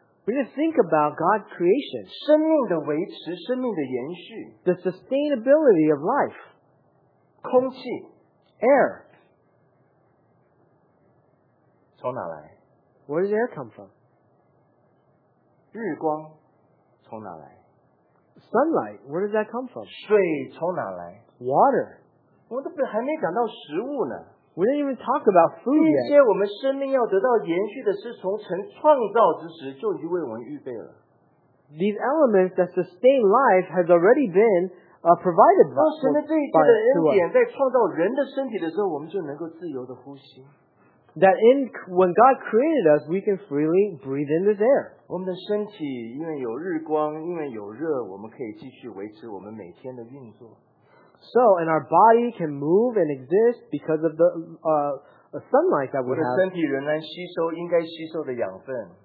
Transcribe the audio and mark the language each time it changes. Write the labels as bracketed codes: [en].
[en] We need to think about God's creation. [zh] 生命的维持, 生命的延续, [en] the sustainability of life. [zh] 空气, [en] air. [zh] 从哪来? [en] Where does air come from? [zh] 日光, 从哪来? [en] Sunlight, where does that come from? [zh] 水从哪来? [en] Water. [zh] 我都还没讲到食物呢。 [en] We didn't even talk about food yet. [zh] 这些我们生命要得到延续的是从神创造之时就已经为我们预备了。 [en] These elements that sustain life has already been provided by us. [zh] 神的这一切的恩典在创造人的身体的时候，我们就能够自由的呼吸。 [en] That in when God created us, we can freely breathe in this air. [zh] 我们的身体因为有日光，因为有热，我们可以继续维持我们每天的运作。 [en] So, and our body can move and exist because of the sunlight that we have. [zh] 我的身体仍然吸收应该吸收的养分。